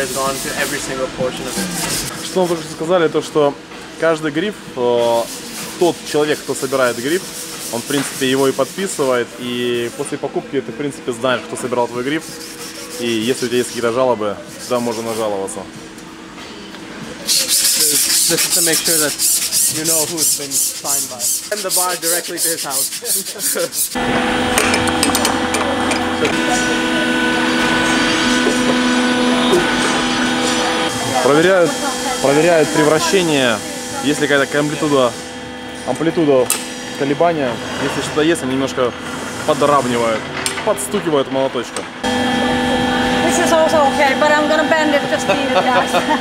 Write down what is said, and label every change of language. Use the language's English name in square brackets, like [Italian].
[Russian] Что мы уже сказали, то что каждый гриф, тот человек, кто собирает гриф, он в принципе его и подписывает, и после покупки ты в принципе знаешь, кто собирал твой гриф, и если у тебя есть какие-то жалобы, всегда можно жаловаться. [English] Just to make sure that you know who it's been signed by. Send the bar directly to his house. [Russian] Проверяют превращение, есть ли какая-то амплитуда колебания. Если что-то есть, они немножко подравнивают, подстукивают молоточком. [English] This is also okay, but I'm gonna bend it just a little bit.